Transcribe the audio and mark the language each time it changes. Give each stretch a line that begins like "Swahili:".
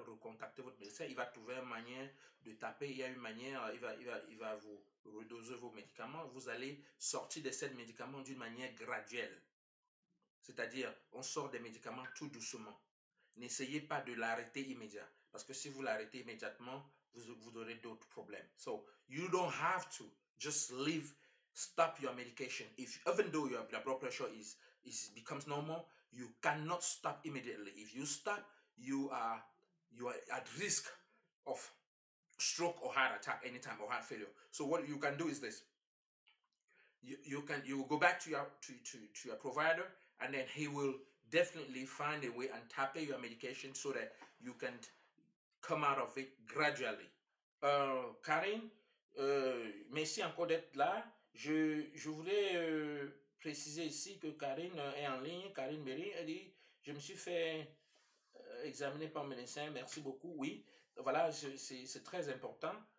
French: Recontactez votre médecin, il va trouver une manière de taper. Il y a une manière, il va vous redosez vos médicaments, vous allez sortir de ces médicaments d'une manière graduelle. C'est-à-dire, on sort des médicaments tout doucement. N'essayez pas de l'arrêter immédiat. Parce que si vous l'arrêtez immédiatement, vous aurez d'autres problèmes.
English: So, you don't have to just leave, stop your medication. If even though your blood pressure becomes normal, you cannot stop immediately. If you stop, you are at risk of stroke or heart attack anytime or heart failure. So what you can do is this: you will go back to your provider, and then he will definitely find a way and tap your medication so that you can come out of it gradually.
French: Karine, merci encore d'être là. Je voulais préciser ici que Karine est en ligne. Karine Berry, elle dit je me suis fait examiner par un médecin. Merci beaucoup. Oui. Voilà, c'est très important.